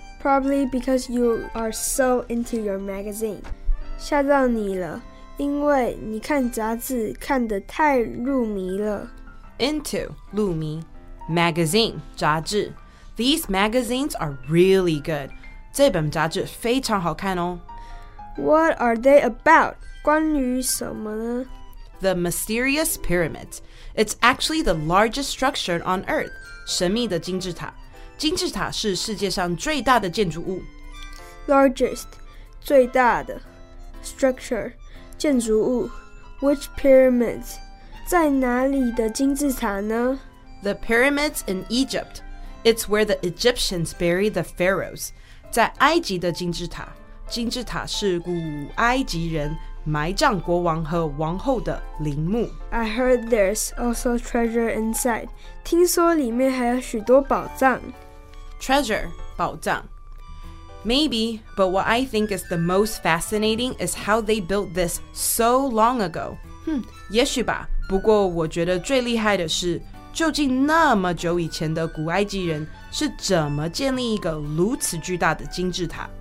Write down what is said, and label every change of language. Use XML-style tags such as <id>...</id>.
<en>Probably because you are so into your magazine.</en> <zh>吓到你了，因为你看杂志看得太入迷了。 Into, 入迷。Magazine, 杂志。</zh> <en>These magazines are really good.</en> <zh>这本杂志非常好看哦。</zh> <en>What are they about?</en> <zh>关于什么呢?</zh> <en>The Mysterious Pyramids. It's actually the largest structure on Earth.</en> <zh>神秘的金字塔。金字塔是世界上最大的建筑物。 Largest, 最大的。Structure, 建筑物。</zh> <en>Which pyramids?</en> <zh>在哪里的金字塔呢?</zh> <en>The pyramids in Egypt. It's where the Egyptians buried the pharaohs.</en> <zh>在埃及的金字塔。金字塔是古埃及人埋葬国王和王后的陵墓。</zh> <en>I heard there's also treasure inside.</en> <zh>听说里面还有许多宝藏。 Treasure, 宝藏。</zh> <en>Maybe, but what I think is the most fascinating is how they built this so long ago.</en> <zh>也许吧，不过我觉得最厉害的是，究竟那么久以前的古埃及人是怎么建立一个如此巨大的金字塔。</zh>